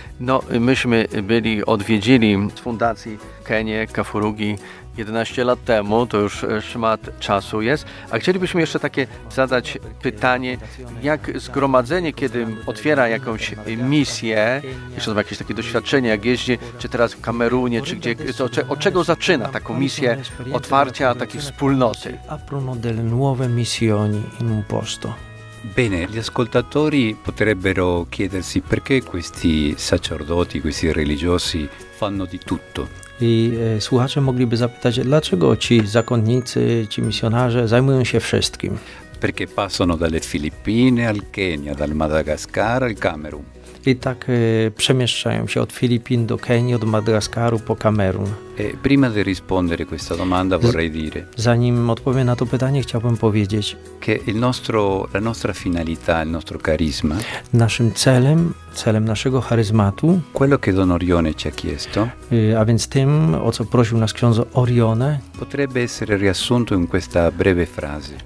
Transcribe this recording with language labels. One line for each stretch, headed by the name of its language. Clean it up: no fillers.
Polish: No myśmy byli, odwiedzili z fundacji Kenię, Kafurugi 11 lat temu, to już szmat czasu jest, a chcielibyśmy jeszcze takie zadać pytanie, jak zgromadzenie, kiedy otwiera jakąś misję, jeszcze ma jakieś takie doświadczenie, jak jeździ, czy teraz w Kamerunie, czy gdzie, od czego zaczyna taką misję otwarcia takiej wspólnoty?
Italian: Aprono delle nuove missioni in un posto. Bene, gli ascoltatori potrebbero chiedersi perché questi sacerdoti, questi religiosi fanno di tutto.
Polish: I słuchacze mogliby zapytać, dlaczego ci zakonnicy, ci misjonarze zajmują się wszystkim?
Italian: perché passano dalle Filippine al Kenya, dal Madagascar al Camerun.
Polish: I tak przemieszczają się od Filippin do Kenii, od Madagaskaru po Kamerun.
Italian: E prima di rispondere a questa domanda vorrei dire.
Polish: Zanim odpowiem na to pytanie, chciałbym powiedzieć.
Italian: Che il nostro, la nostra finalità, il nostro carisma.
Polish: Naszym celem, celem naszego charyzmatu.
Italian: Quello che Don Orione ci ha chiesto.
Polish: A więc tym, o co prosił nas ksiądz Orione.
Italian: Potrebbe essere riassunto in questa breve frase.